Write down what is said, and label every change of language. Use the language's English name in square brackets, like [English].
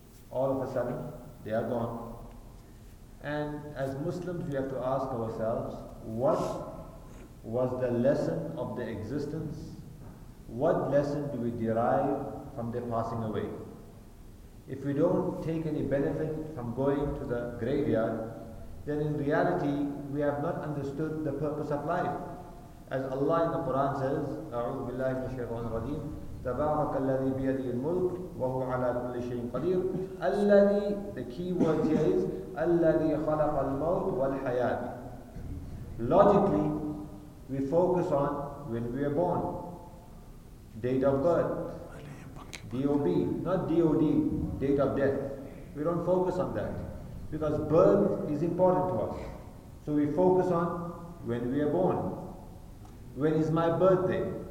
[English] All of a sudden, they are gone. And as Muslims, we have to ask ourselves, what was the lesson of the existence? What lesson do we derive from their passing away? If we don't take any benefit from going to the graveyard, then in reality, we have not understood the purpose of life. As Allah in the Quran says, [Arabic] أعوذ بالله من الشيطان الرجيم تبارك الذي بيده الملك وهو على كل شيء قدير الذي, [English] the key word here is [Arabic] الذي خلق الموت والحياة. [English] Logically, we focus on when we are born, date of birth, DOB, not DOD, date of death. We don't focus on that because birth is important to us. So we focus on when we are born. When is my birthday?